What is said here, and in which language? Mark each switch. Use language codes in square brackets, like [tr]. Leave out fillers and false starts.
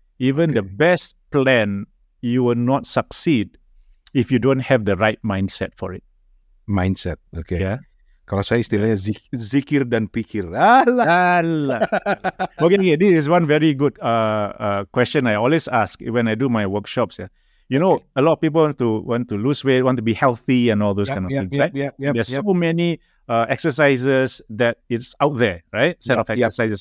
[en] Even the best plan, you will not succeed if you don't have the right mindset for it. Mindset, okay. Yeah. [id] Kalau saya istilahnya zikir dan pikir. Allah. [en] Okay, this is one very good question I always ask when I do my workshops. Yeah. You know, a lot of people want to lose weight, want to be healthy and all those kind of things, right? There's so many exercises that is out there, right? Set of exercises.